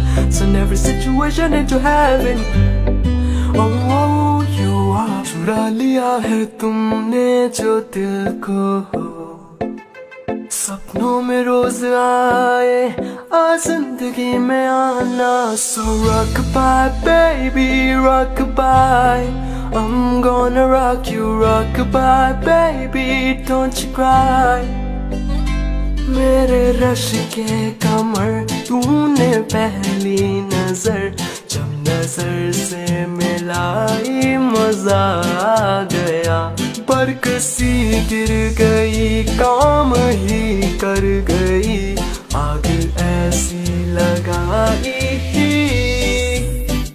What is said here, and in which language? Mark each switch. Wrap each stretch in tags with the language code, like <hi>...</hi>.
<en>Send every situation into heaven. Oh, oh, you are.</en> <hi>चुरा लिया है तुमने जो दिल को, सपनों में रोज आए आ जिंदगी में आना.</hi> <en>So rock bye baby, rock bye, I'm gonna rock you. Rock bye baby, don't you cry.</en> <hi>मेरे रश के कमर तूने पहली नजर, जब नजर से मिलाई मजा आ गया. बर्क सी गिर गई, काम ही कर गई, आग ऐसी लगाई थी.</hi>